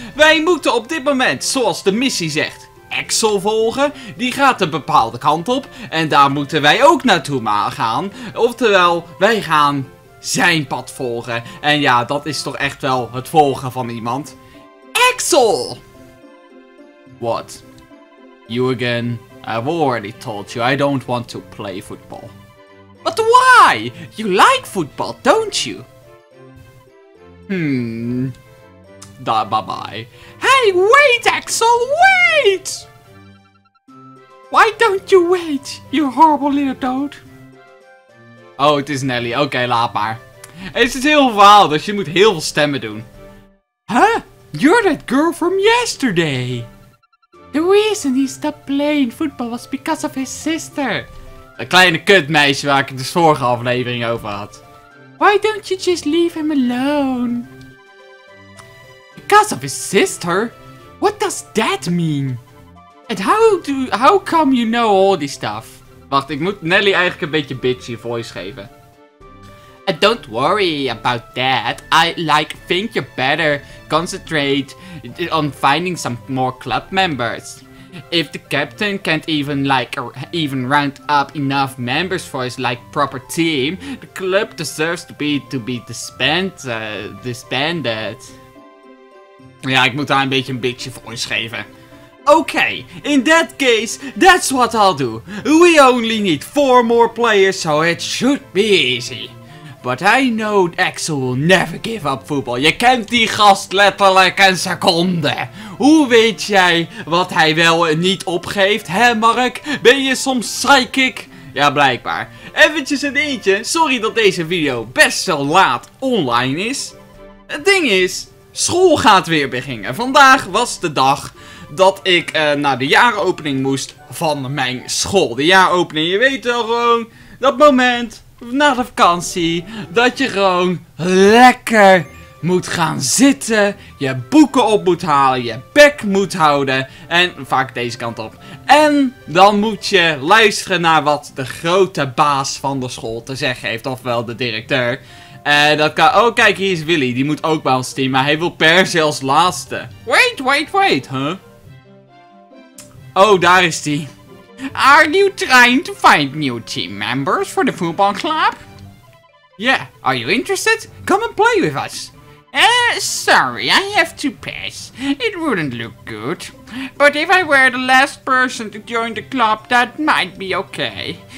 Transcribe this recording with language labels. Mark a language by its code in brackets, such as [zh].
[nl] Wij moeten op dit moment, zoals de missie zegt, Axel volgen. Die gaat een bepaalde kant op en daar moeten wij ook naartoe gaan. Oftewel, wij gaan zijn pad volgen. En ja, dat is toch echt wel het volgen van iemand. [en] Axel! What? You again? I've already told you, I don't want to play football. But why? You like football, don't you? Bye-bye. Hey, wait, Axel, wait! Why don't you wait, you horrible little toad? [nl] Oh, het is Nelly. Oké, laat maar. Het is heel verhaal, dus je moet heel veel stemmen doen. [en] Huh? You're that girl from yesterday. The reason he stopped playing football was because of his sister. [nl] Een kleine kutmeisje waar ik de vorige aflevering over had. [en] Why don't you just leave him alone? Because of his sister? What does that mean? And how come you know all this stuff? [nl] Wacht, ik moet Nelly eigenlijk een beetje bitchy voice geven. [en] And don't worry about that. I like think you better concentrate on finding some more club members. If the captain can't even even round up enough members for his like proper team, the club deserves to be disbanded. [nl] Ja, ik moet daar een beetje een bitchy voice geven. [en] Okay, in that case, that's what I'll do. We only need 4 more players, so it should be easy. But I know Axel will never give up football. [nl] Je kent die gast letterlijk een seconde. Hoe weet jij wat hij wel en niet opgeeft, hè Mark? Ben je soms psychic? Ja, blijkbaar. Eventjes een eentje. Sorry dat deze video best wel laat online is. Het ding is, school gaat weer beginnen. Vandaag was de dag dat ik naar de jaaropening moest van mijn school. De jaaropening, je weet wel gewoon, dat moment na de vakantie, dat je gewoon lekker moet gaan zitten, je boeken op moet halen, je bek moet houden, en vaak deze kant op. En dan moet je luisteren naar wat de grote baas van de school te zeggen heeft, ofwel de directeur. En dat kan, oh kijk, hier is Willy, die moet ook bij ons team, maar hij wil per se als laatste. [en] Wait, huh? [nl] Oh, daar is die. [en] Are you trying to find new team members for the football club? Yeah, are you interested? Come and play with us. Sorry, I have to pass. It wouldn't look good. But if I were the last person to join the club, that might be okay.